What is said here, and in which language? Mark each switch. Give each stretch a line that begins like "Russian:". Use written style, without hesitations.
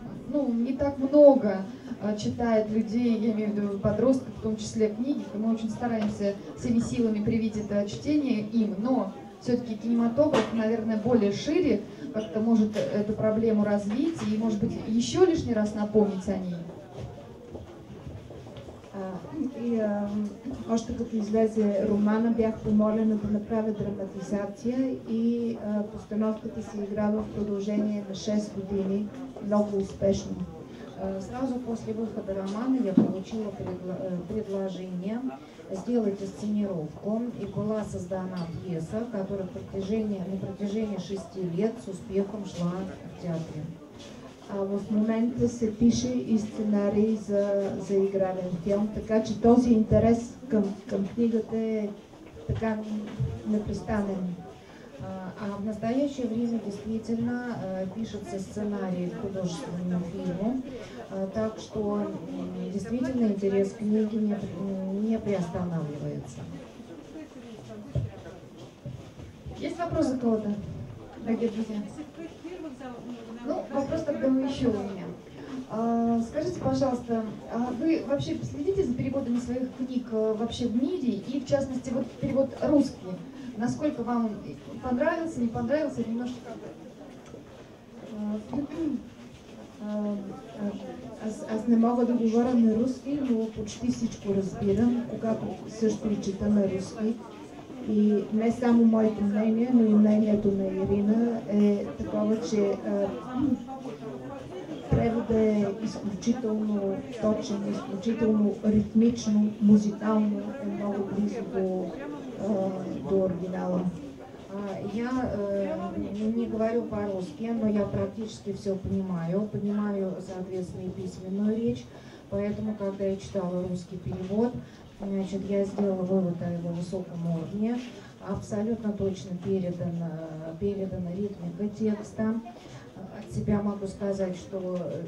Russian: Ну, не так много читает людей, я имею в виду подростков, в том числе книги. Мы очень стараемся всеми силами привить это чтение им, но все-таки кинематограф, наверное, более шире как-то может эту проблему развить и, может быть, еще лишний раз напомнить о ней.
Bulgarian: Още като излезе романа, бях помолена да направя драматизация и постановката се играла в продължение на 6 години, много успешно.
Russian: Сразу после выхода романа я получила предложение сделать инсценировку, и была создана пьеса, которая на протяжении 6 лет с успехом шла в театре.
Bulgarian: А в момента се пише и сценарий за игрален филм, така че този интерес към книгата е така непрестанен.
Russian: А в настоящее время действительно пишется сценарий к художественному фильму, так что действительно интерес к книге не приостанавливается. Есть вопросы у кого-то? Дорогие друзья? Ну, вопрос тогда еще у меня. Скажите, пожалуйста, вы вообще следите за переводами своих книг вообще в мире, и в частности, вот перевод русский? Насколько вам понравился, не понравился, немножко как
Bulgarian: Аз не мога да говоря на русски, но почти всичко разбирам, когато също и чета на русски. И не само моето мнение, но и мнението на Ирина е такова, че преводът е изключително точен, изключително ритмично, музикално е много близо до оригинала.
Russian: Я не говорю по-русски, но я практически все понимаю. Понимаю, соответственно, и письменную речь. Поэтому, когда я читала русский перевод, значит, я сделала вывод о его высоком уровне. Абсолютно точно передана ритмика текста. От себя могу сказать, что